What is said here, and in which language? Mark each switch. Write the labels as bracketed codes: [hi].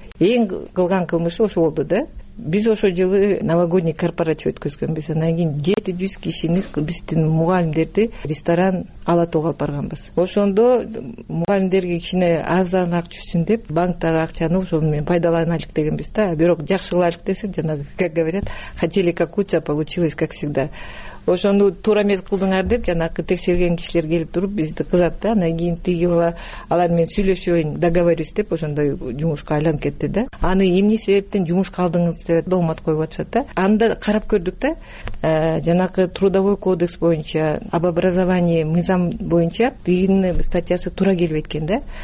[ky] Эң кылган кылмышы ошо болду да. Биз ошо жылы новогодний корпоратив өткөзгөнбүз, анан кийин 700 кишини биздин мугалимдерди ресторан ала тоого алып барганбыз. Ошондо мугалимдерге кичине арзан акча түшсүн деп банктагы акчаны ошону менен пайдаланалык дегенбиз да. Бирок жакшы кылалык десе жана [ru] как говорят, хотели как лучше, а получилось как всегда. [ky] Ошону туура эмес кылдыңар деп жанакы текшерген кишилер келип туруп бизди кызат да, анан кийин тиги бала алар менен сүйлөшөйүн договорюсь деп ошондой жумушка айланып кетти да. Аны эмне себептен жумушка алдыңыз деп доомат коюп атышат да. Аны да карап көрдүк да. Жанакы трудовой кодекс боюнча, об образовании мыйзам боюнча тигинин статьясы туура келбейт экен да.